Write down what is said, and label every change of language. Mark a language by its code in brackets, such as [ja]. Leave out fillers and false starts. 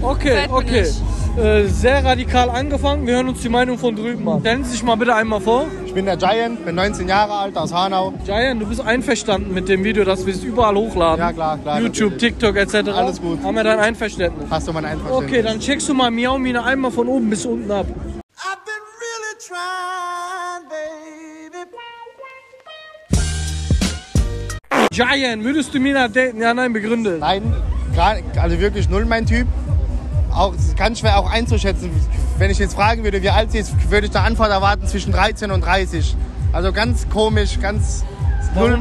[de] Okay. Sehr radikal angefangen. Wir hören uns die Meinung von drüben an. Stellen Sie sich mal bitte einmal vor. Ich bin der Giant, bin 19 Jahre alt, aus Hanau. Giant, du bist einverstanden mit dem Video, dass wir es überall hochladen. Ja, klar. YouTube, natürlich. TikTok etc. Alles gut. Haben wir dein Einverständnis? Hast du mein Einverständnis. Okay, dann checkst du mal Miau Mina einmal von oben bis unten ab. [en] I've been really trying, baby. [de] Giant, würdest du Mina daten? Ja, nein, begründet. Nein, also wirklich null mein Typ. Auch ganz schwer auch einzuschätzen, wenn ich jetzt fragen würde, wie alt sie ist, würde ich eine Antwort erwarten zwischen 13 und 30. Also ganz komisch, ganz null.